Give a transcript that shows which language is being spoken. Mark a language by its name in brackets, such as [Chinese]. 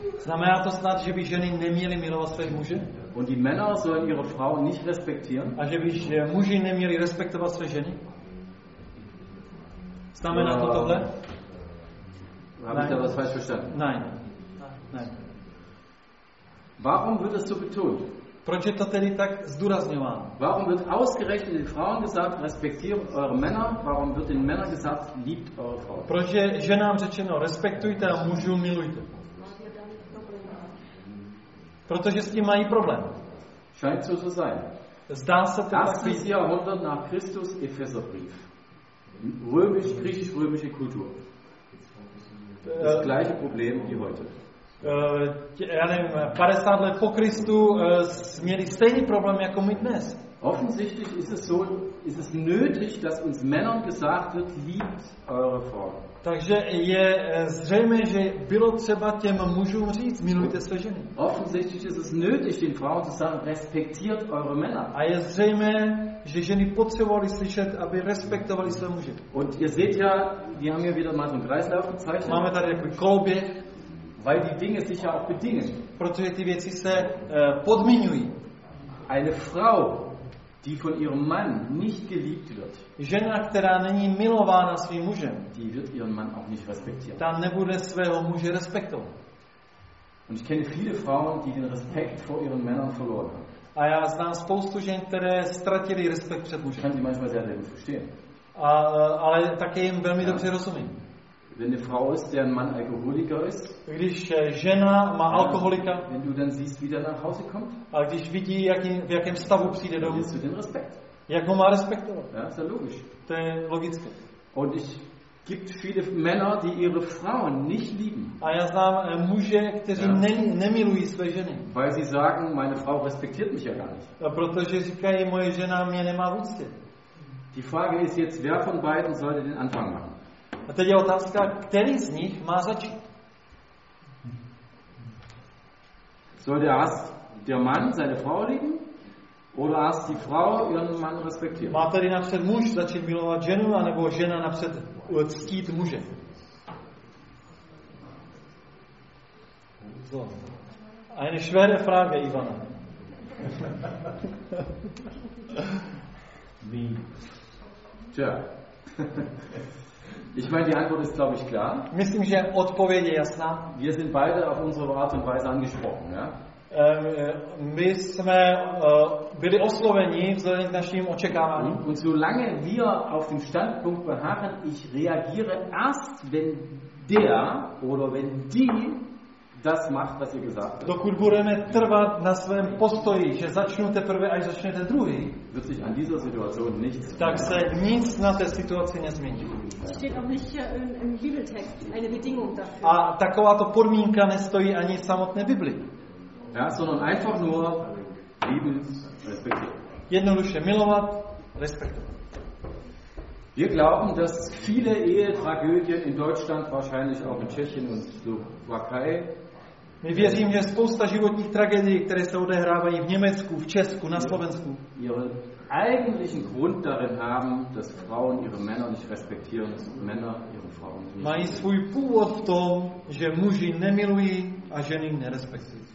[Czech] Znamená to snad, že by ženy neměly milovat své muže? [German] Und die Männer sollen ihre Frauen nicht respektieren? [Czech] A že by muži neměli respektovat své ženy? Znamená to tohle? [German] Habe ich da was falsch verstanden? Nein. Nein. Warum wird das so betont? [Czech] Proč je to tedy tak zdůrazňováno? [German] Warum wird ausgerechnet den Frauen gesagt, respektiert eure Männer? Warum wird den Männern gesagt, liebt eure Frau? [Czech] Proč je ženám řečeno, respektujte a mužů milujte? Protože s tím mají problém. [German] Scheint so zu sein. [Czech] Zdá se to tak. 8. [German] Jahrhundert nach Christus, Epheserbrief. Römisch, griechisch, römische Kultur. Das gleiche Problem wie heute. [Czech] Já nevím, 50 let po Kristu měli stejný problém jako my dnes. [German] Offensichtlich ist es so, ist es nötig, dass uns Männern gesagt wird, liebt eure Frau. [Czech] Takže je zřejmé, že bylo třeba těm mužům říct, milujte své ženy. [German] Offensichtlich ist es nötig, den Frauen zu sagen, respektiert eure Männer. [Czech] A je zřejmé, že ženy potřebovali slyšet, aby respektovali své muže. [German] Und ihr seht ja, wir haben hier wieder mal so einen Kreislauf gezeichnet. [Czech] Máme tady jako kolbě. [German] Weil die Dinge sich ja auch bedingen. [Czech] Protože ty věci se podmiňují. [German] Eine Frau, die von ihrem Mann nicht geliebt wird. [Czech] Žena, která není milována svým mužem. [German] Die wird ihren Mann auch nicht respektieren. [Czech] Ta nebude svého muže respektovat. [German] Und ich kenne viele Frauen, die den Respekt vor ihren Männern verloren haben. [Czech] A já znám spoustu žen, které ztratili respekt před mužem. [German] Kann die manchmal sehr gut verstehen. [Czech] Ale také jim velmi dobře rozumím. [German] Wenn eine Frau ist, deren Mann Alkoholiker ist, [Czech] když žena má alkoholika, [German] wenn du dann siehst, wie der nach Hause kommt, [Czech] a když vidí, v jakém stavu přijde domů, [German] hast du den Respekt. [Czech] Jak ho má respektovat? [German] Ja, ist ja logisch. [Czech] To je logické. [German] Und es gibt viele Männer, die ihre Frauen nicht lieben. [Czech] A já znám muže, kteří nemilují své ženy. [German] Weil sie sagen, meine Frau respektiert mich ja gar nicht. [Czech] A protože říkají, moje žena mě nemá v úctě. [German] Die Frage ist jetzt, wer von beiden sollte den Anfang machen? [Czech] A teď je otázka, který z nich má začít? [German] Soll der Mann seine Frau lieben oder erst die Frau ihren Mann respektieren? [Czech] Má tedy napřed muž začít milovat ženu anebo žena napřed ctít muže? [German] So. Eine schwere Frage, Ivana. Wie? Tja. Ich meine, die Antwort ist, glaube ich, klar. [Czech] Myslím, že odpověď je jasná. [German] Wir sind beide auf unsere Art und Weise angesprochen, ja? [Czech] My jsme byli osloveni vzhledem k našim očekávání. [German] Und solange wir auf dem Standpunkt beharren, ich reagiere erst, wenn der oder wenn die das macht, was ihr gesagt habt. [Czech] Dokud budeme trvat na svém postoji, že začnu teprve, až začne ten druhý, [German] wird sich an dieser Situation nichts ändern. [Czech] Tak se nic na té situaci nezmění. [German] Steht auch nicht im Bibeltext eine Bedingung dafür. [Czech] A takováto podmínka nestojí ani v samotné Biblii. [German] Ja, sondern einfach nur lieben, respektieren. [Czech] Jednoduše milovat, respektovat. [German] Wir glauben, dass viele Ehetragödien in Deutschland, wahrscheinlich auch in Tschechien und Slowakei. [Czech] My věřím, že spousta životních tragédií, které se odehrávají v Německu, v Česku, na Slovensku, [German] ihre eigentlichen Grund darin haben, dass Frauen ihre Männer nicht respektieren, Männer ihre Frauen nicht. [Czech] Mají svůj původ v tom, že muži nemilují a ženy nerespektují.